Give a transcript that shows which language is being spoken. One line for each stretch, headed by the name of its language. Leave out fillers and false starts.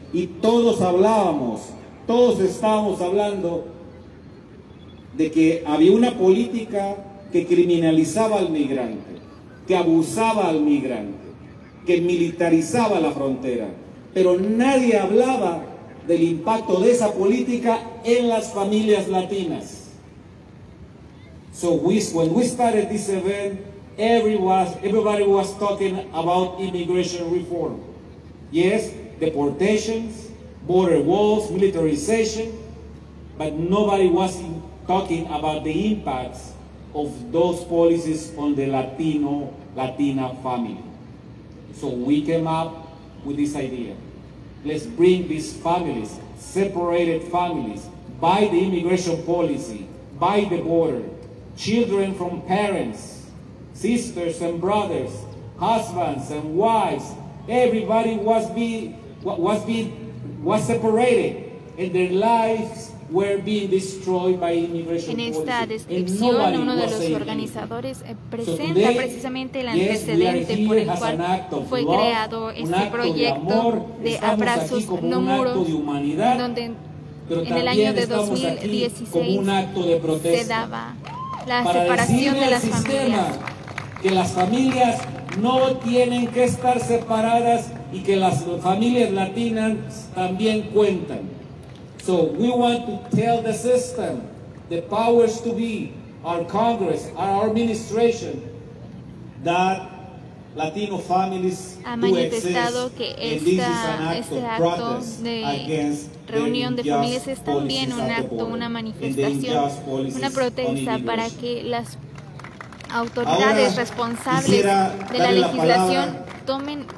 Spanish: Y todos hablábamos, todos estábamos hablando de que había una política que criminalizaba al migrante, que abusaba al migrante, que militarizaba la frontera. Pero nadie hablaba del impacto de esa política en las familias latinas.
English: So when we started this event, everybody was talking about immigration reform. Yes, deportations, border walls, militarization, but nobody was talking about the impacts of those policies on the Latina family. So we came up with this idea. Let's bring these families, separated families, by the immigration policy, by the border, children from parents, sisters and brothers, husbands and wives, everybody was separated, and their lives were being destroyed by immigration
Spanish: policy. En esta descripción, uno de los organizadores presenta precisamente el antecedente por el cual fue creado este proyecto de Abrazos No Muros, donde en el año de 2016 se daba la separación de las familias. Que las familias no tienen que estar separadas y que las familias latinas también cuentan.
English: So we want to tell the system, the powers to be, our Congress, our administration, that Latino families
Spanish: manifestado que este acto de reunión de familias es también un acto, una manifestación, una protesta para que las autoridades responsables de la legislación tomen